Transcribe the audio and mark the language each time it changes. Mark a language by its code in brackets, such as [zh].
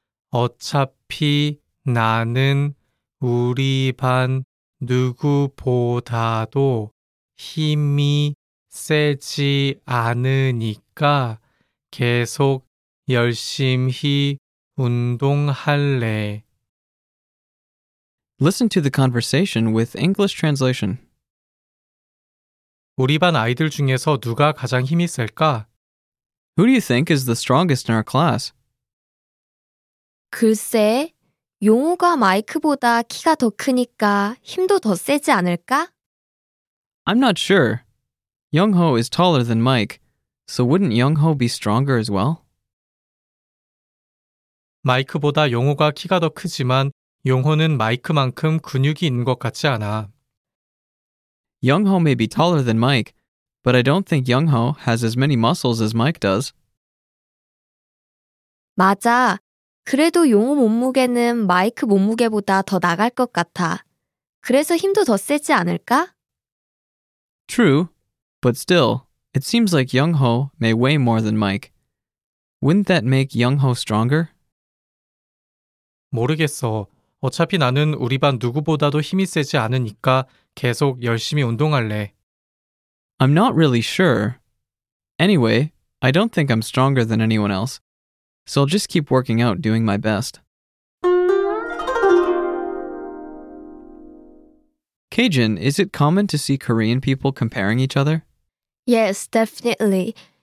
[ko] 어차피 나는 우리 반 누구보다도 힘이 세지 않으니까 계속 열심히 운동할래. [en] Listen to the conversation with English translation. [ko] 우리 반 아이들 중에서 누가 가장 힘이 셀까? [en] Who do you think is the strongest in our class? [ko] 글쎄, 용우가 마이크보다 키가 더 크니까 힘도 더 세지 않을까? [en] I'm not sure. Youngho is taller than Mike, so wouldn't Youngho be stronger as well? [ko] 마이크보다 용호가 키가 더 크지만 용호는 마이크만큼 근육이 있는 것 같지 않아. [en] Youngho may be taller than Mike, but I don't think Youngho has as many muscles as Mike does. [ko] 맞아. 그래도 용호 몸무게는 마이크 몸무게보다 더 나갈 것 같아. 그래서 힘도 더 세지 않을까? [en] True. But still, it seems like Youngho may weigh more than Mike. Wouldn't that make Youngho stronger? [ko] 모르겠어. 어차피 나는 우리 반 누구보다도 힘이 세지 않으니까 계속 열심히 운동할래. [en] I'm not really sure. Anyway, I don't think I'm stronger than anyone else. So I'll just keep working out, doing my best. Kaijin, is it common to see Korean people comparing each other? Yes, definitely.